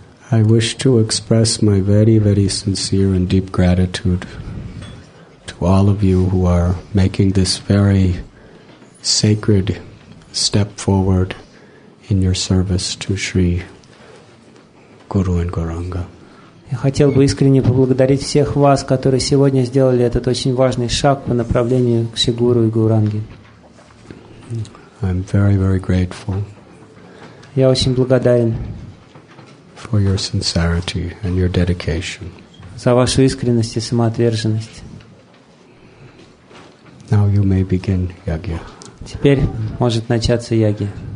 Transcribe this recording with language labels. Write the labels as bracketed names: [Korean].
[English] I wish to express my very, very sincere and deep gratitude to all of you who are making this very sacred step forward in your service to Sri Guru and Gauranga. [Russian] Я хотел бы искренне поблагодарить всех вас, которые сегодня сделали этот очень важный шаг по направлению к Шри Гуру и Гауранге. [English] I'm very, very grateful. [Russian] Я очень благодарен. [English] For your sincerity and your dedication. [Russian] За вашу искренность и самоотверженность. [English] Now you may begin yagya. [Russian] Теперь может начаться ягья.